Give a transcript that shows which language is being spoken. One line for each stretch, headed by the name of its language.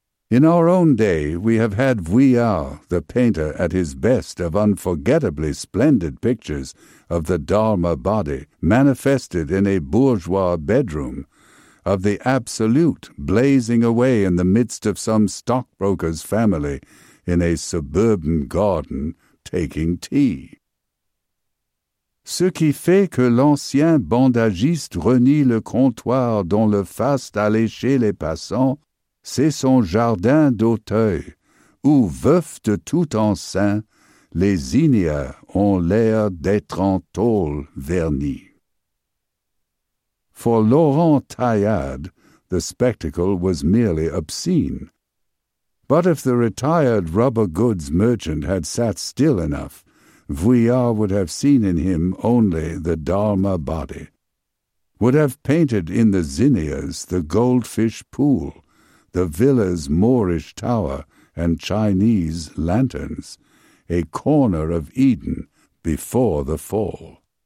English: In our own day, we have had Vuillard, the painter at his best of unforgettably splendid pictures of the Dharma body manifested in a bourgeois bedroom, of the absolute blazing away in the midst of some stockbroker's family in a suburban garden taking tea.
French: Ce qui fait que l'ancien bandagiste renie le comptoir dont le faste allait chez les passants, c'est son jardin d'Auteuil, où, veufs de tout enceint, les zinnias ont l'air d'être en tôle vernie.
English: For Laurent Taillade, the spectacle was merely obscene. But if the retired rubber goods merchant had sat still enough, Vuillard would have seen in him only the Dharma body, would have painted in the zinnias the goldfish pool, the villa's Moorish tower and Chinese lanterns, a corner of Eden before the fall.